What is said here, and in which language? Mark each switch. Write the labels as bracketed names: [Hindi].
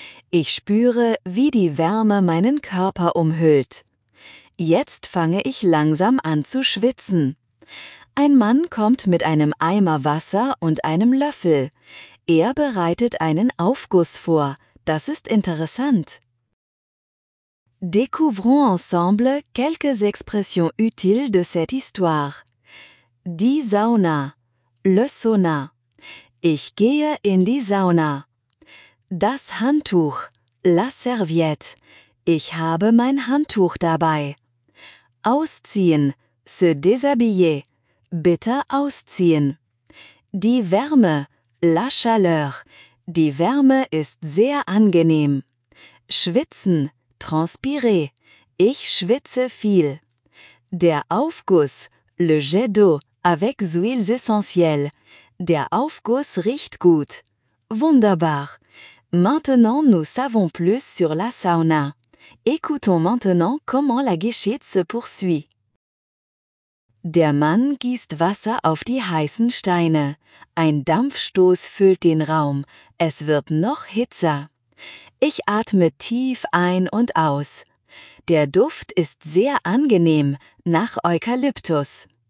[German] Ich spüre, wie die Wärme meinen Körper umhüllt. Jetzt fange ich langsam an zu schwitzen. Ein Mann kommt mit einem Eimer Wasser und einem Löffel. Er bereitet einen Aufguss vor. Das ist interessant. [French] Découvrons ensemble quelques expressions utiles de cette histoire. [German] Die Sauna. Le Sauna. Ich gehe in die Sauna. Das Handtuch. [French] La Serviette. [German] Ich habe mein Handtuch dabei. Ausziehen. [French] Se déshabiller. [German] Bitte ausziehen. Die Wärme. [French] La Chaleur. [German] Die Wärme ist sehr angenehm. Schwitzen. [French] Transpirer. [German] Ich schwitze viel. Der Aufguss. [French] Le jet d'eau avec huiles essentielles. [German] Der Aufguss riecht gut. Wunderbar. [French] Maintenant nous savons plus sur la sauna. Écoutons maintenant comment la Geschichte se poursuit. [German] Der Mann gießt Wasser auf die heißen Steine. Ein Dampfstoß füllt den Raum. Es wird noch hitzer. Ich atme tief ein und aus. Der Duft ist sehr angenehm, nach Eukalyptus.